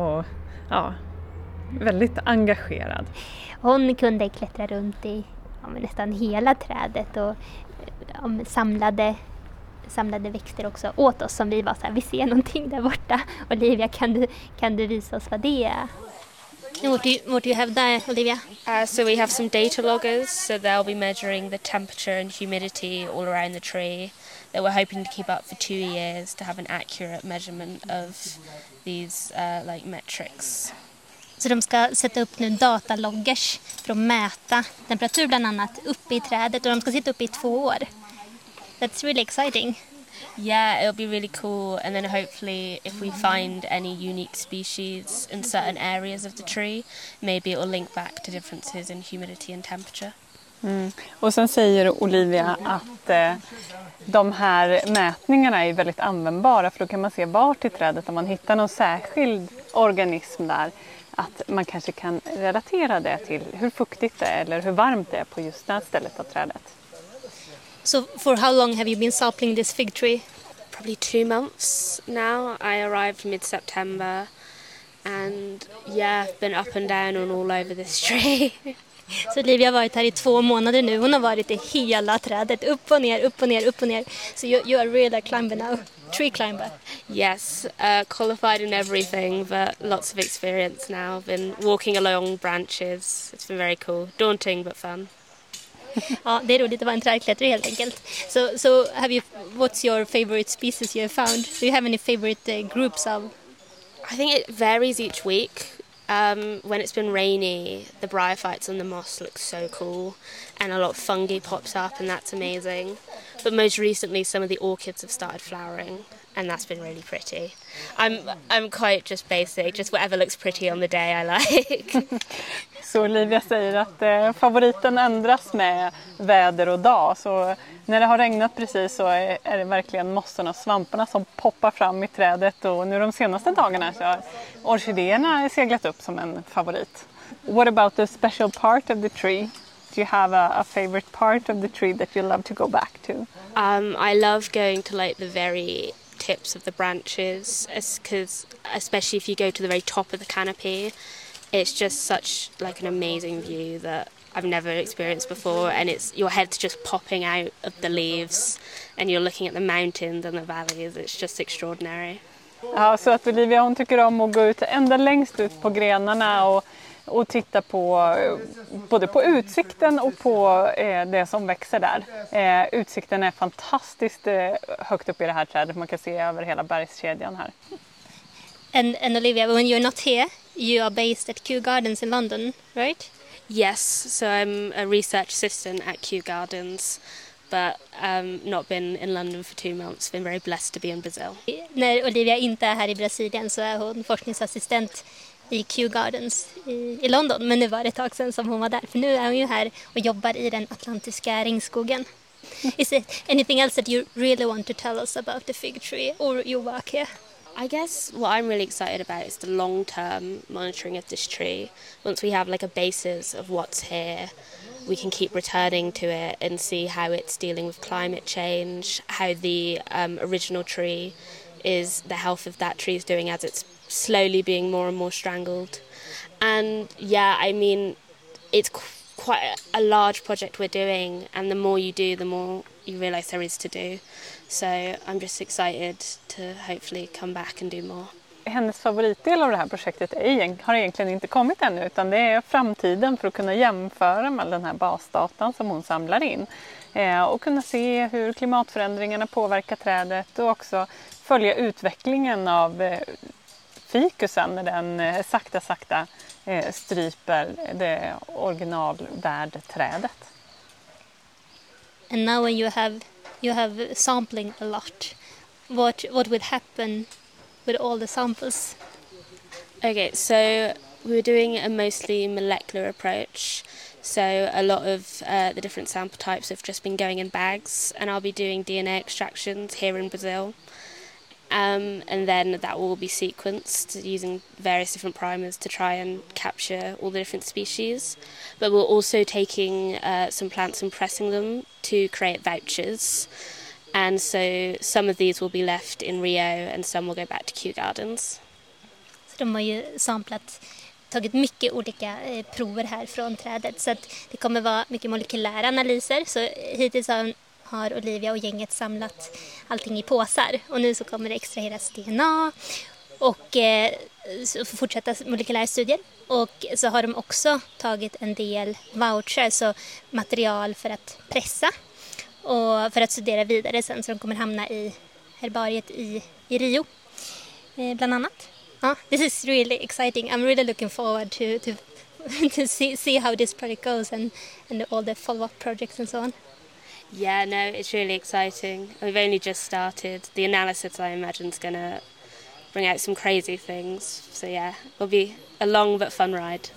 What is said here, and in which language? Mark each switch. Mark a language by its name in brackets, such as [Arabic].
[Swedish] Och ja, väldigt engagerad. Hon kunde klättra runt i nästan hela trädet och samlade växter också åt oss, som vi var så här, vi ser någonting där borta. Olivia, kan du visa oss vad det är? [English] What do you have there, Olivia? So we have some data loggers, so they'll be measuring the temperature and humidity all around the tree that we're hoping to keep up for 2 years to have an accurate measurement of these like metrics. [Swedish] Så de ska sätta upp nu dataloggers för att mäta temperatur bland annat uppe i trädet, och de ska sitta uppe i 2 år. [English] That's really exciting. Yeah, it'll be really cool. And then hopefully if we find any unique species in certain areas of the tree, maybe it'll link back to differences in humidity and temperature. [Swedish] Och sen säger Olivia att de här mätningarna är väldigt användbara, för då kan man se vart i trädet, om man hittar någon särskild organism där, att man kanske kan relatera det till hur fuktigt det är eller hur varmt det är på just det stället av trädet. [English] So for how long have you been sampling this fig tree? Probably 2 months now. I arrived mid-September and yeah, I've been up and down and all over this tree. [Swedish] Så Olivia har varit här i 2 månader nu. Hon har varit i hela trädet, upp och ner, upp och ner, upp och ner. [English] So you are really a climber now, tree climber. Yes, qualified in everything, but lots of experience now. I've been walking along branches. It's been very cool. Daunting, but fun. [Swedish] Ja, det är roligt att vara en trädklättrare helt enkelt. [English] So have you, what's your favorite species you have found? Do you have any favorite groups of? I think it varies each week. When it's been rainy, the bryophytes on the moss look so cool, and a lot of fungi pops up, and that's amazing. But most recently, some of the orchids have started flowering, and that's been really pretty. I'm quite just basic, just whatever looks pretty on the day I like. [Swedish] Så Olivia säger att favoriten ändras med väder och dag. Så när det har regnat precis så är det verkligen mossorna och svamparna som poppar fram i trädet. Och nu de senaste dagarna så har orkidéerna seglat upp som en favorit. [English] What about the special part of the tree? Do you have a favorite part of the tree that you love to go back to? I love going to like the very tips of the branches, because especially if you go to the very top of the canopy, it's just such like an amazing view that I've never experienced before, and it's your head's just popping out of the leaves and you're looking at the mountains and the valleys. It's just extraordinary. [Swedish] Ja, så att Olivia, hon tycker om att gå ut ända längst ut på grenarna och och titta på utsikten och på det som växer där. Utsikten är fantastiskt högt upp i det här trädet. Man kan se över hela bergskedjan här. [English] And Olivia, when you're not here, you are based at Kew Gardens in London, right? Yes, so I'm a research assistant at Kew Gardens, but not been in London for 2 months. Been very blessed to be in Brazil. [Swedish] När Olivia inte är här i Brasilien så är hon forskningsassistent i Kew Gardens i London. Men nu var det ett tag sedan som hon var där. För nu är hon ju här och jobbar i den atlantiska regnskogen. [English] Is it anything else that you really want to tell us about the fig tree or your work here? I guess what I'm really excited about is the long-term monitoring of this tree. Once we have like a basis of what's here, we can keep returning to it and see how it's dealing with climate change, how the original tree is, the health of that tree is doing as it's slowly being more and more strangled. And yeah, I mean, it's quite a large project we're doing, and the more you do, the more you realize there is to do. So I'm just excited to hopefully come back and do more. [Swedish] Hennes favoritdel av det här projektet har egentligen inte kommit ännu, utan det är framtiden för att kunna jämföra med den här basdatan som hon samlar in och kunna se hur klimatförändringarna påverkar trädet och också följa utvecklingen av fikusen när den sakta stryper det originalvärdträdet. [English] And now when you have sampling a lot, what would happen with all the samples? Okay, so we're doing a mostly molecular approach, so a lot of the different sample types have just been going in bags, and I'll be doing DNA extractions here in Brazil, and then that will be sequenced using various different primers to try and capture all the different species. But we're also taking some plants and pressing them to create vouchers. And so some of these will be left in Rio and some will go back to Kew Gardens. [Swedish] Så de har ju samplat, tagit mycket olika prover här från trädet. Så att det kommer vara mycket molekylära analyser. Så hittills har Olivia och gänget samlat allting i påsar. Och nu så kommer det extraheras DNA och fortsätta molekylära studier. Och så har de också tagit en del voucher, så material för att pressa. Och för att studera vidare sen, så de kommer hamna i herbariet i Rio, bland annat. [English] Ah, this is really exciting. I'm really looking forward to see how this project goes and all the follow-up projects and so on. Yeah, no, it's really exciting. We've only just started. The analysis, I imagine, is gonna bring out some crazy things. So yeah, it'll be a long but fun ride.